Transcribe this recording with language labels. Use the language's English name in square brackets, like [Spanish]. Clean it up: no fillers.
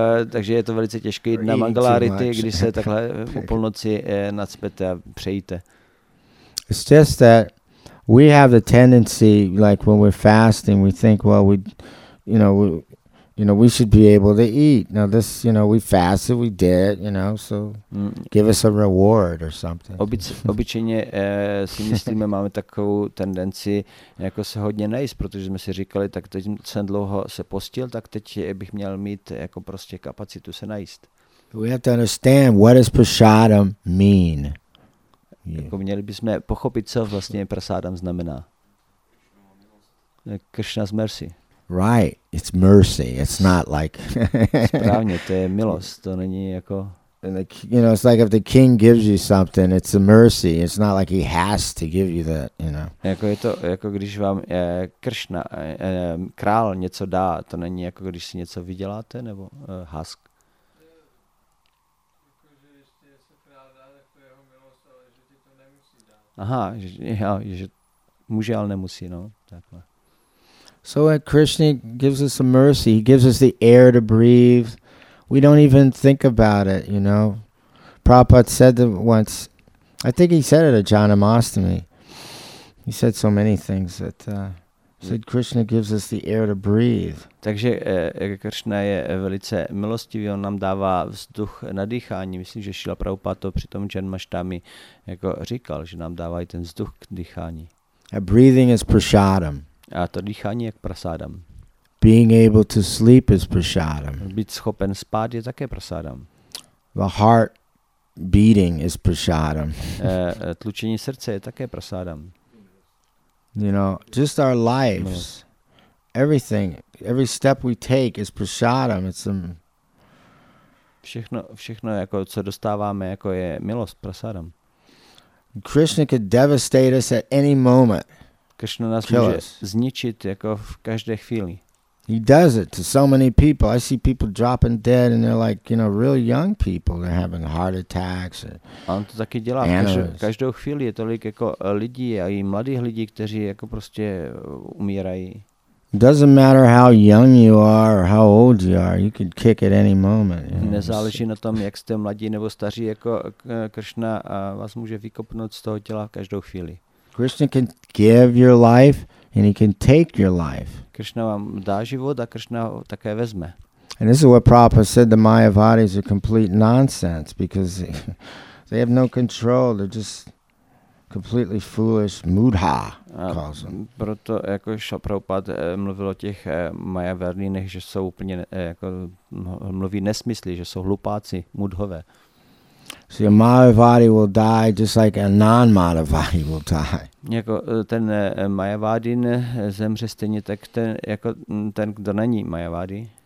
[Czech] Takže je to velice těžké jít na Mangalarati, když se takhle u půlnoci nacpete a přejíte. [English] It's just that we have the tendency, like when we're fasting, we think, well, we should be able to eat. Now this, you know, we fasted, we did, you know, so give us a reward or something. [Czech] Obyčejně si myslíme, máme takovou tendenci jako se hodně najíst, protože jsme si říkali, tak teď jsem dlouho se postil, tak teď bych měl mít jako prostě kapacitu se najíst. [English] We have to understand, what does prasadam mean? [Czech] Jako měli bychom pochopit, co vlastně prasadam znamená. [English] Krishna's mercy. Right, it's mercy. It's not like. [Czech] Správně, to je milost. To není jako. [English] And the, you know, it's like if the king gives you something, it's a mercy. It's not like he has to give you that, you know. [Czech] Jako je to, jako když vám Krishna, král něco dá, to není jako když si něco vyděláte nebo hask. Aha, že může, ale nemusí, no, takhle. [English] So Krishna gives us some mercy. He gives us the air to breathe. We don't even think about it, you know. Prabhupada said that once. I think he said it at Janamastami. He said so many things that said Krishna gives us the air to breathe. [Czech] Takže Krishna je velice milostivý, on nám dává vzduch na dýchání. Myslím, že Šila Prabhupada to při tom Janamastami jako říkal, že nám dává i ten vzduch k dýchání. [English] A breathing is prasadam. [Czech] A to dýchání je prasadam. [English] Being able to sleep is prasadam. [Czech] Být schopen spát je také prasadam. [English] The heart beating is prasadam. [Czech] Tlučení srdce je také prasadam. [English] You know, just our lives, everything, every step we take is prasadam. It's some [Czech] všechno jako co dostáváme jako je milost prasadam. [English] Krishna could devastate us at any moment. [Czech] Krishna nás může zničit jako v každé chvíli. [English] He does it to so many people. I see people dropping dead and they're like, you know, really young people. They're having heart attacks. [Czech] On to taky dělá. Každou chvíli je tolik jako lidí a i mladých lidí, kteří jako prostě umírají. [English] Doesn't matter how young you are or how old you are. You could kick at any moment. You know? [Czech] Nezáleží na tom, jak jste mladí nebo staří, jako Krishna vás může vykopnout z toho těla každou chvíli. [English] Krishna can give your life and he can take your life. [Czech] Krishna vám dá život a Krishna ho také vezme. [English] And this is what Prabhupada said, the Mayavadis are complete nonsense because they have no control. They're just completely foolish mudha calls them. [Czech] Proto jako šel Prabhupad mluvil o těch Mayavadinech, že jsou úplně jako mluví nesmysly, že jsou hlupáci, mudhové. [English] See, a Mayavadi will die just like a non-Mayavadi will die. [Czech] Jako ten Mayavadin zemře stejně tak ten jako ten kdo není Mayavadi.